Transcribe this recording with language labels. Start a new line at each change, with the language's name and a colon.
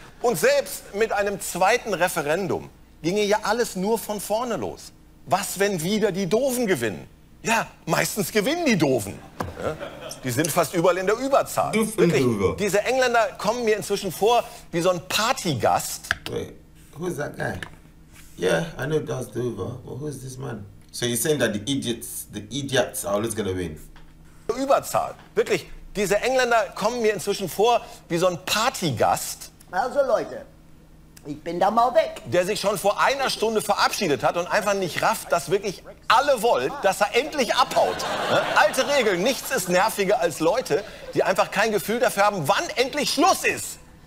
German: Und selbst mit einem zweiten Referendum ginge ja alles nur von vorne los. Was, wenn wieder die Doofen gewinnen? Ja, meistens gewinnen die Doofen. Ne? Die sind fast überall in der Überzahl. Wirklich, diese Engländer kommen mir inzwischen vor wie so ein Partygast.
English: Wait, who is that guy? Yeah, I know that's Dover, but who is this man? So you're saying that the idiots are always gonna win?
German: Überzahl. Wirklich, diese Engländer kommen mir inzwischen vor wie so ein Partygast. Also Leute, Ich bin da mal weg. Der sich schon vor einer Stunde verabschiedet hat und einfach nicht rafft, dass wirklich alle wollen, dass er endlich abhaut. Ne? Alte Regeln, nichts ist nerviger als Leute, die einfach kein Gefühl dafür haben, wann endlich Schluss ist.